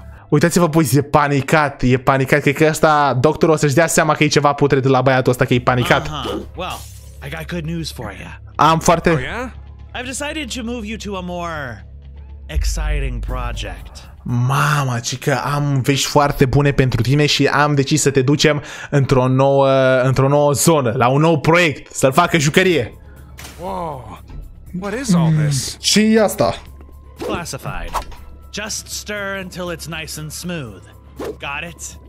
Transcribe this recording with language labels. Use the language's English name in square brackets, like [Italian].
[Romanian] Uitați-vă, boys, e panicat, cred că ăsta, doctorul o să-și dea seama că e ceva putred la băiatul ăsta, că e panicat. [English] Uh-huh. Well, I got good news for you. [Romanian] Am foarte... [English] Oh, yeah? I've decided to move you to a more exciting project. [Romanian] Mama, cică, am vești foarte bune pentru tine și am decis să te ducem într-o nouă zonă, la un nou proiect, să-l facă jucărie. [English] Wow, what is all this? [Romanian] Ce e asta? [English] Classified. Just stir until it's nice and smooth. Got it?